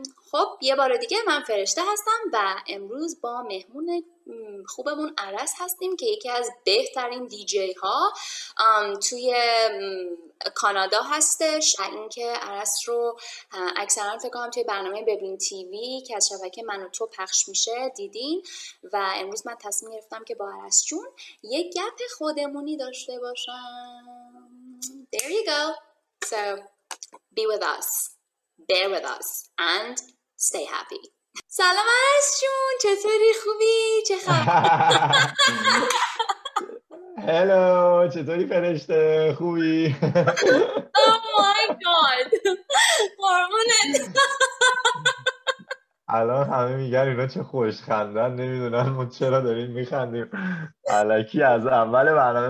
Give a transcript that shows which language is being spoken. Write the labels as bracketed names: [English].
[Persian] خب یه بار دیگه من فرشته هستم و امروز با مهمون خوبمون عرس هستیم که یکی از بهترین دیجی ها توی کانادا هستش. اینکه عرس رو اکثرا فکر کنم توی برنامه ببین تیوی که از شبکه من و تو پخش میشه دیدین و امروز من تصمیم گرفتم که با عرس جون یک گپ خودمونی داشته باشم. [English] There you go. So be with us. Bear with us and stay happy. [Persian] سلام عرس جون، چطوری؟ خوبی؟ چه خبر؟ هلو، چطوری فرشته؟ خوبی؟ [English] Oh my god. [Persian] قربونت. الان همه میگن اینا چه خوشخندن، نمیدونن ما چرا داریم میخندیم علکی از اول برنامه.